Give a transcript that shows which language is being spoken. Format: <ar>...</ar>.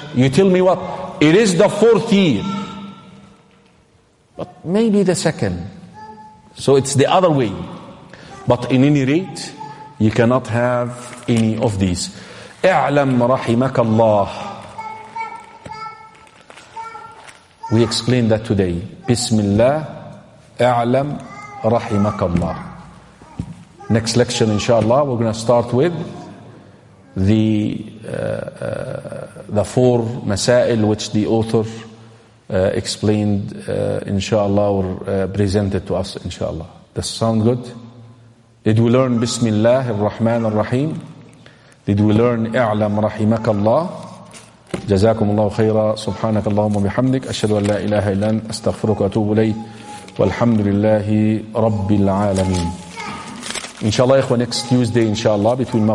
<en>You tell me what? It is the fourth year. But maybe the second. So it's the other way. But in any rate, you cannot have any of these.</en> <ar>اعلم رحمك الله.</ar> <en>We explained that today.</en> <ar>Bismillah, اعلم رحمك الله.</ar> <en>Next lecture, inshallah, we're going to start with the four masail which the author explained, inshallah, or presented to us, inshallah. Does it sound good? Did we learn Bismillah ar-Rahman ar-Rahim? Did we learn</en> <ar>اعلم رحمك الله؟ جزاكم الله خيرا سبحانك اللهم وبحمدك أشهد أن لا إله إلا أنت أستغفرك وأتوب إليك والحمد لله رب العالمين. إن شاء الله يا إخوة</ar> <en>next Tuesday</en> <ar>إن شاء الله</ar> <en>between Maghrib</en>